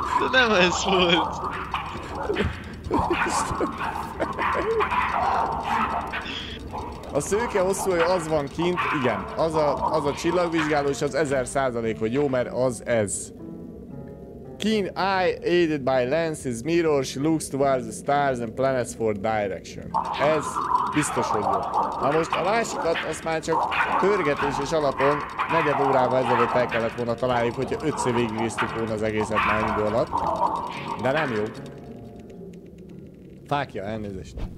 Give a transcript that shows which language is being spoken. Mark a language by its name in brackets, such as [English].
[Hungarian] De nem ez volt. A szőke hosszú, hogy az van kint, igen. Az a csillagvizsgáló és az 1000% hogy jó, mert az ez. [English] Keen eye aided by lenses, mirror, she looks towards the stars and planets for direction. [Hungarian] Ez biztos, hogy jó. Na most a másikat, azt már csak pörgetés és alapon negyed órával ezelőtt el kellett volna találjuk, hogyha ötször végignéztük volna az egészet már idő alatt. De nem jó. Fákja, elnézést.